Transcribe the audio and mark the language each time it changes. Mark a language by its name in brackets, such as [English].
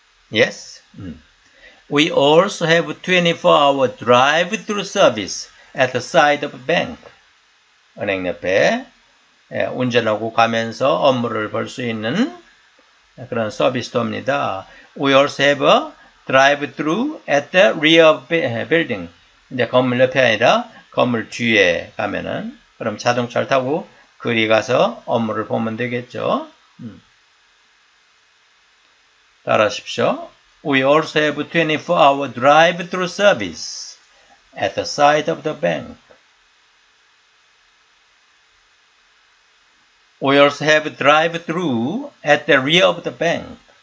[English] Yes. We also have 24-hour drive-through service at the side of a bank. [Korean] 은행 옆에 운전하고 가면서 업무를 볼 수 있는 그런 서비스도 합니다. [English] We also have a drive-through at the rear building. [Korean] 이제 건물 옆이 아니라 건물 뒤에 가면은 그럼 자동차를 타고 그리 가서 업무를 보면 되겠죠. 따라하십시오. [English] We also have 24-hour drive-through service at the side of the bank. We also have drive-through at the rear of the bank.